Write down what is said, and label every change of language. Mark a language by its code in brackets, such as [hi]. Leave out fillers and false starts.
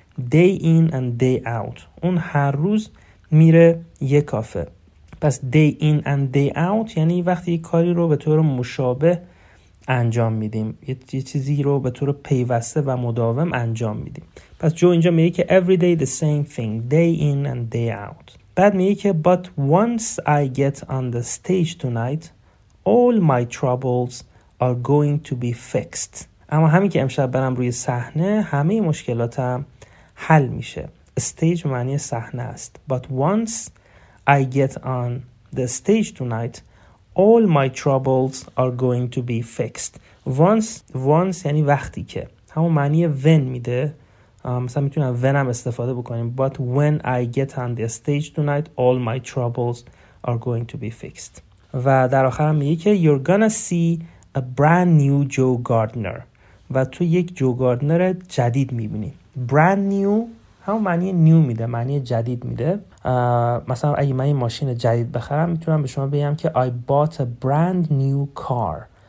[en] day in and day out. [fa] اون هر روز میره یه کافه. پس [en] day in and day out [fa] یعنی وقتی یه کاری رو به طور مشابه انجام میدیم، یه چیزی رو به طور پیوسته و مداوم انجام میدیم. پس جو اینجا میگه که [en] every day the same thing, day in and day out. [fa] بعد میگه که [en] but once I get on the stage tonight, all my troubles are going to be fixed. [fa] اما همین که امشب برم روی صحنه، همه مشکلاتم حل میشه. استیج معنی صحنه است. [en] But once I get on the stage tonight, all my troubles are going to be fixed. [fa] Once یعنی وقتی که. همون معنی when میده. مثلا میتونم when هم استفاده بکنیم. [en] But when I get on the stage tonight, all my troubles are going to be fixed. [fa] و در آخر هم میگه که [en] you're gonna see a brand new Joe Gardner. [fa] و تو یک جو گاردنر جدید میبینی. Brand new همون معنی نیو میده، معنی جدید میده. مثلا اگه من یه ماشین جدید بخرم میتونم به شما بگم که [en] I bought a brand new car.